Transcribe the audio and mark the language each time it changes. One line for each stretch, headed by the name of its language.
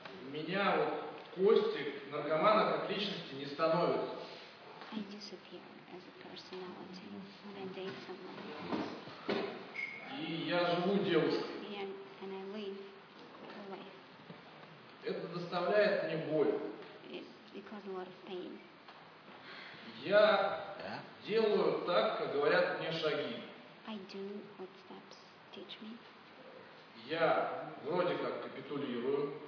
Russian: Меня вот Кости, наркомана как личности не становится.
English: I disappear as a personality when I date someone.
Russian: И я живу девушкой.
English: And I live a life.
Russian: Это доставляет мне боль.
English: It causes a lot of pain.
Russian: Я делаю так, как говорят мне шаги.
English: I do what steps teach me.
Russian: Я вроде как капитулирую.